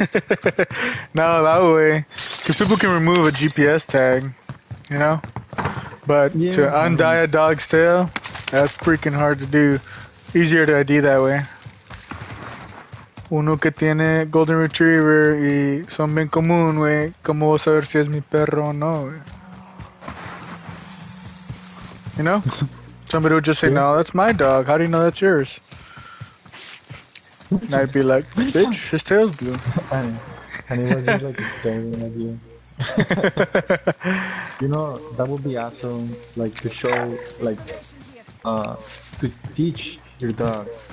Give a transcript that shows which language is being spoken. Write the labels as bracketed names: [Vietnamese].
[English] No, that way, because people can remove a GPS tag, you know, but yeah, to undye a dog's tail, that's freaking hard to do. Easier to ID that way. [Spanish] Uno que tiene golden retriever y son bien común, wey. ¿Cómo vas a ver si es mi perro o no, wey? [English] You know? Somebody would just say, no, that's my dog. How do you know that's yours? And I'd be like, bitch, his tail's blue. And it was just like a staring at you. You know, that would be awesome, like, to show, like, to teach your dog.